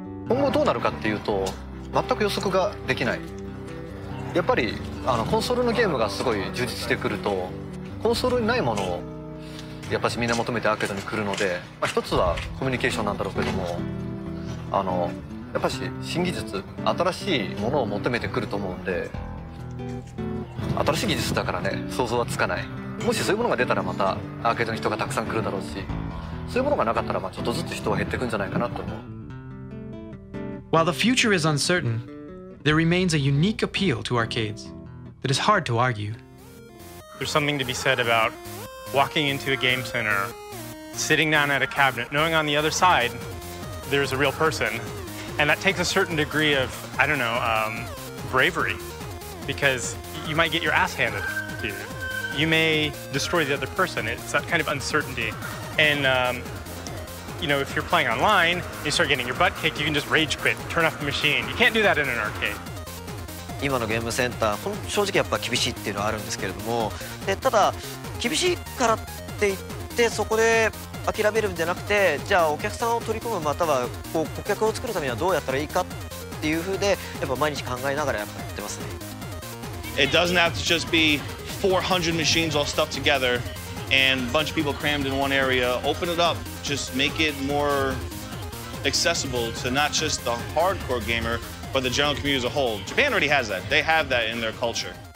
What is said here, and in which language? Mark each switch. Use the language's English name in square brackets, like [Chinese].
[Japanese] 今後どうなるかっていうと全く予測ができない。やっぱりあのコンソールのゲームがすごい充実してくるとコンソールにないものをやっぱりみんな求めてアーケードに来るので、まあ、一つはコミュニケーションなんだろうけどもあのやっぱり新技術新しいものを求めてくると思うんで新しい技術だからね想像はつかない。もしそういうものが出たらまたアーケードに人がたくさん来るだろうしそういうものがなかったらまあちょっとずつ人は減っていくんじゃないかなと思う。 [English] While the future is uncertain, there remains a unique appeal to arcades that is hard to argue. There's something to be said about walking into a game center, sitting down at a cabinet, knowing on the other side there's a real person. And that takes a certain degree of, I don't know, bravery. Because you might get your ass handed to you. You may destroy the other person. It's that kind of uncertainty. And, you know, if you're playing online, you start getting your butt kicked, you can just rage quit, turn off the machine. You can't do that in an arcade. [Japanese] 今のゲームセンター正直やっぱ厳しいっていうのはあるんですけれどもでただ厳しいからって言ってそこで諦めるんじゃなくてじゃあお客さんを取り込むまたはこう顧客を作るためにはどうやったらいいかっていうふうでやっぱ毎日考えながらやっぱやってますね。 [English] It doesn't have to just be 400 machines all stuffed together and a bunch of people crammed in one area. Open it up, just make it more accessible to not just the hardcore gamerBut the general community as a whole. Japan already has that. They have that in their culture.